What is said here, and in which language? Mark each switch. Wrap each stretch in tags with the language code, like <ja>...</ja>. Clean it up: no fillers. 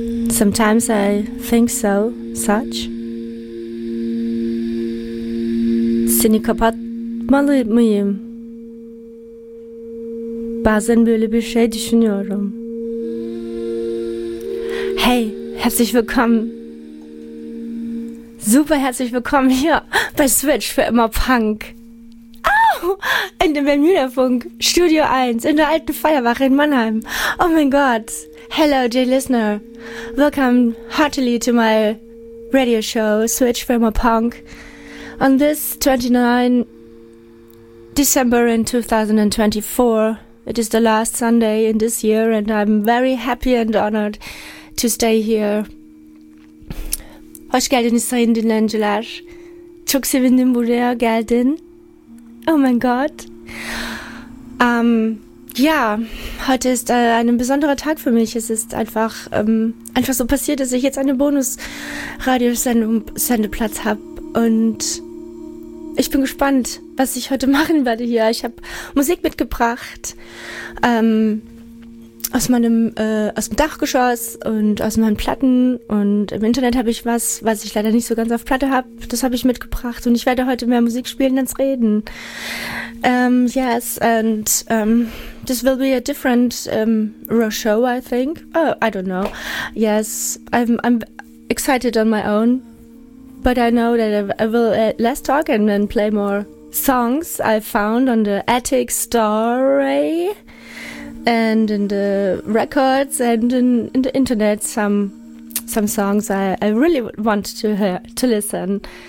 <en>Sometimes I think so, such.</en> <tr>Seni ni kapatmalı mıyım? Bazen böyle bir şey düşünüyorum.</tr> <de>Hey, herzlich willkommen. Super herzlich willkommen hier bei Switch für immer Punk. In dem Bermuda-Funk, Studio 1, in der alten Feuerwache in Mannheim. Oh mein Gott.</de> <en>Hello, dear listener. Welcome heartily to my radio show, Switch from a Punk. On this 29 December in 2024, it is the last Sunday in this year, and I'm very happy and honored to stay here.</en> <tr>Hoş geldiniz sayın dinleyiciler. Çok sevindim buraya geldin.</tr> <de>Oh mein Gott. Ja, heute ist ein besonderer Tag für mich. Es ist einfach einfach so passiert, dass ich jetzt eine Bonus-Radio-Sendeplatz habe. Und ich bin gespannt, was ich heute machen werde hier. Ich habe Musik mitgebracht aus meinem aus dem Dachgeschoss und aus meinen Platten. Und im Internet habe ich was, was ich leider nicht so ganz auf Platte habe. Das habe ich mitgebracht. Und ich werde heute mehr Musik spielen als reden.</de> <en>Yes, and this will be a different show, I think. Oh, I don't know. Yes, I'm excited on my own. But I know that I will less talk and then play more songs I found on the Attic Story and in the records and in the internet, some songs I really want to hear, to listen.</en>